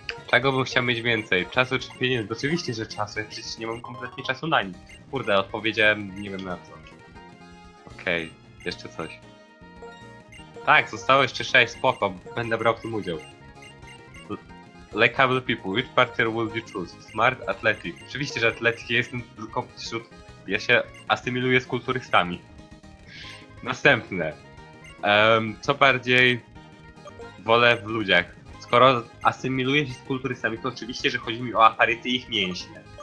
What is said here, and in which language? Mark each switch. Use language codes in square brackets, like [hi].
[pl] Czego bym chciał mieć więcej? Czasu czy pieniędzy? Oczywiście, że czasu. Ja przecież nie mam kompletnie czasu na nic. Kurde, odpowiedziałem nie wiem na co. Okej, okay. Jeszcze coś. Tak, zostało jeszcze 6, spoko, będę brał w tym udział. [en] Likeable people, which partner will you choose? Smart, athletic. [pl] Oczywiście, że athletic, jestem tylko wśród... Ja się asymiluję z kulturystami. Następne. Co bardziej wolę w ludziach? Skoro asymiluję się z kulturystami, to oczywiście, że chodzi mi o aparyty i ich mięśnie.